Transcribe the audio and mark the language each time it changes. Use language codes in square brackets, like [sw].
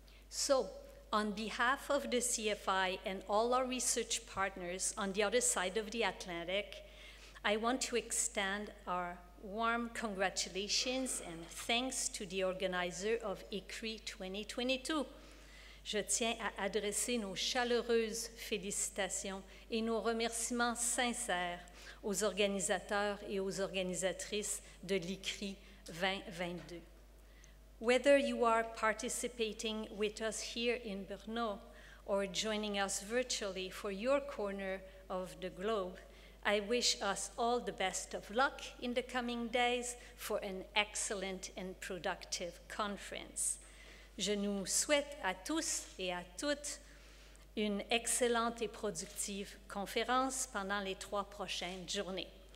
[en] So, on behalf of the CFI and all our research partners on the other side of the Atlantic, I want to extend our warm congratulations and thanks to the organizer of ICRI 2022. [fr] Je tiens à adresser nos chaleureuses félicitations et nos remerciements sincères aux organisateurs et aux organisatrices de l'ICRI 2022. [en] Whether you are participating with us here in Brno or joining us virtually for your corner of the globe, I wish us all the best of luck in the coming days for an excellent and productive conference. [fr] Je nous souhaite à tous et à toutes une excellente et productive conférence pendant les trois prochaines journées.